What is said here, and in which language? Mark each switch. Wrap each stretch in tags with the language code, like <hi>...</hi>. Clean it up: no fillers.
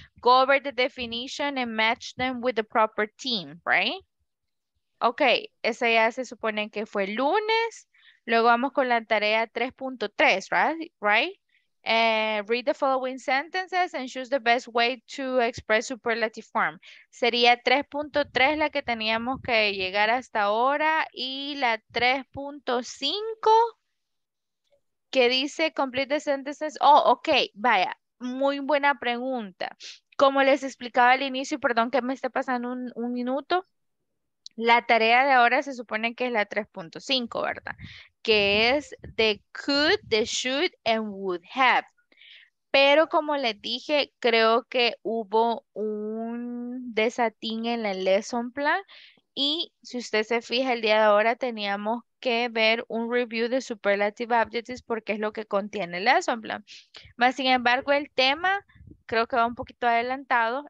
<en>Go over the definition and match them with the proper team, right?</en> <es>Okay, esa ya se supone que fue lunes. Luego vamos con la tarea 3.3, right?</es> <en>Read the following sentences and choose the best way to express superlative form.</en> <es>Sería 3.3 la que teníamos que llegar hasta ahora y la 3.5 que dice</es> <en>complete the sentences.</en> <es>Oh, okay, vaya, muy buena pregunta. Como les explicaba al inicio, perdón que me esté pasando un minuto, la tarea de ahora se supone que es la 3.5, ¿verdad?</es> <en>Que es the could, the should, and would have.</en> <es>Pero como les dije, creo que hubo un desatín en el lesson plan. Y si usted se fija, el día de ahora teníamos que ver un review de</es> <en>superlative adjectives</en> <es>porque es lo que contiene el lesson plan. Mas, sin embargo, el tema creo que va un poquito adelantado.</es>